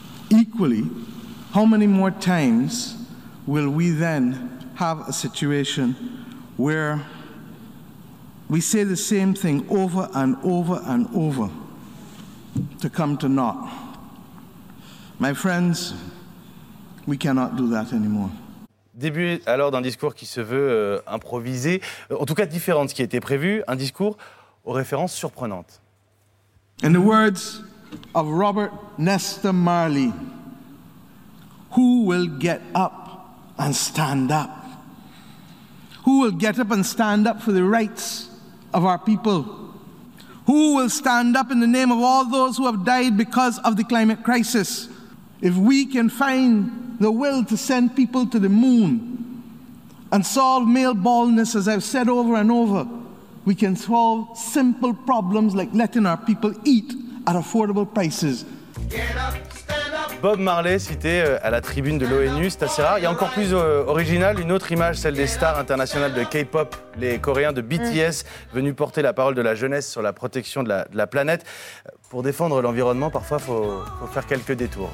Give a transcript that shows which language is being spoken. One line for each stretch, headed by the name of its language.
English: Equally, how many more times will we then have a situation where we say the same thing over and over and over to come to naught? My friends, we cannot do that anymore.
French: Début alors d'un discours qui se veut improvisé, en tout cas différent de ce qui était prévu, un discours aux références surprenantes.
English: In the words of Robert Nesta Marley, who will get up and stand up? Who will get up and stand up for the rights of our people? Who will stand up in the name of all those who have died because of the climate crisis? If we can find the will to send people to the moon and solve male baldness, as I've said over and over, we can solve simple problems like letting our people eat at affordable prices. Get up.
French: Bob Marley cité à la tribune de l'ONU, c'est assez rare. Il y a encore plus original, une autre image, celle des stars internationales de K-pop, les Coréens de BTS, venus porter la parole de la jeunesse sur la protection de la planète. Pour défendre l'environnement, parfois, il faut faire quelques détours.